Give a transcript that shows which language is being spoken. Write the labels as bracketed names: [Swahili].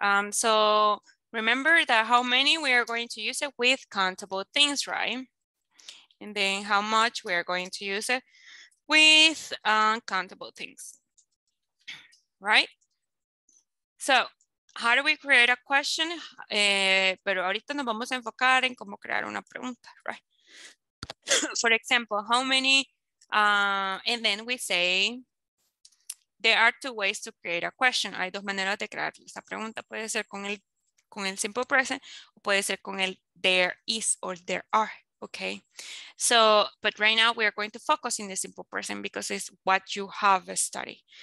[English] So remember that how many we are going to use it with countable things, right? And then how much we are going to use it with countable things, right? So, how do we create a question? [Spanish] Pero ahorita nos vamos a enfocar en cómo crear una pregunta, [English] right? For example, how many, and then we say, there are two ways to create a question. [Spanish] Hay dos maneras de crear esa pregunta. Puede ser con el simple present, o puede ser con el [English] there is or there are, okay? So, but right now we are going to focus in the simple present because it's what you have studied.